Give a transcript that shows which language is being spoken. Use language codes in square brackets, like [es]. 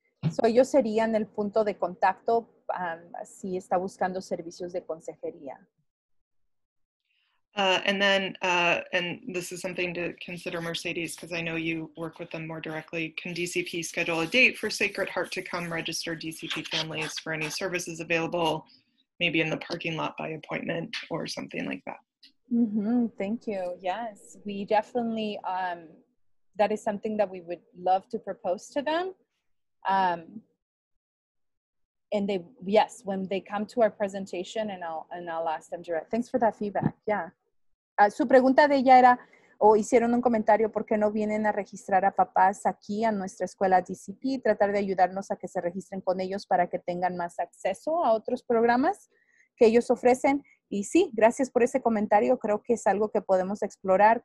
[es] So ellos serían el punto de contacto si está buscando servicios de consejería. [en] And this is something to consider, Mercedes, because I know you work with them more directly. Can DCP schedule a date for Sacred Heart to come register DCP families for any services available, maybe in the parking lot by appointment or something like that? Mm-hmm. Thank you. Yes, we definitely, that is something that we would love to propose to them. And they, yes, when they come to our presentation, and I'll ask them direct. Thanks for that feedback. Yeah. [es] Su pregunta de ella era, o hicieron un comentario, ¿por qué no vienen a registrar a papás aquí a nuestra escuela DCP? Tratar de ayudarnos a que se registren con ellos para que tengan más acceso a otros programas que ellos ofrecen. Y sí, gracias por ese comentario. Creo que es algo que podemos explorar.